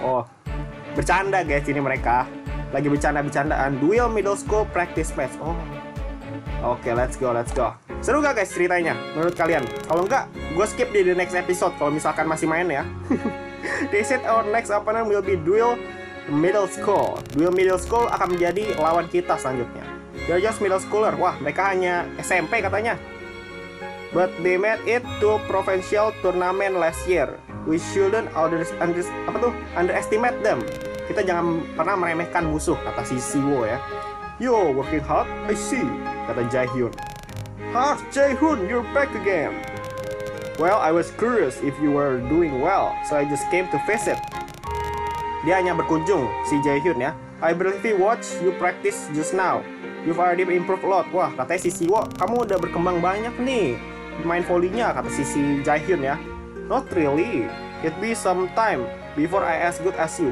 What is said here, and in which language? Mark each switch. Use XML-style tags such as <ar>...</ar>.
<id>Oh, bercanda guys, ini mereka lagi bercanda-bercandaan. Duel middle school practice match. Oh, Oke,</id> <en>let's go.</en> <id>Seru gak guys ceritanya menurut kalian? Kalau enggak, gue skip di the next episode kalau misalkan masih main ya.</id> <en>They said our next opponent will be Duel Middle School.</en> <id>Duel Middle School akan menjadi lawan kita selanjutnya.</id> <en>They're just middle schooler.</en> <id>Wah, mereka hanya SMP katanya.</id> <en>But they made it to provincial tournament last year. We shouldn't underestimate them.</en> <id>Kita jangan pernah meremehkan musuh, kata si Siwo ya. Yo,</id> <en>working hard? I see, kata Jaehyun. Ha, Jaehyun, you're back again. Well, I was curious if you were doing well, so I just came to visit.</en> <id>Dia hanya berkunjung, si Jaehyun ya.</id> <en>I briefly watched you practice just now. You've already improved a lot.</en> <id>Wah, katanya si Siwo, kamu udah berkembang banyak nih. Main volley-nya, kata si Jaehyun ya.</id> <en>Not really. It be some time before I as good as you.</en>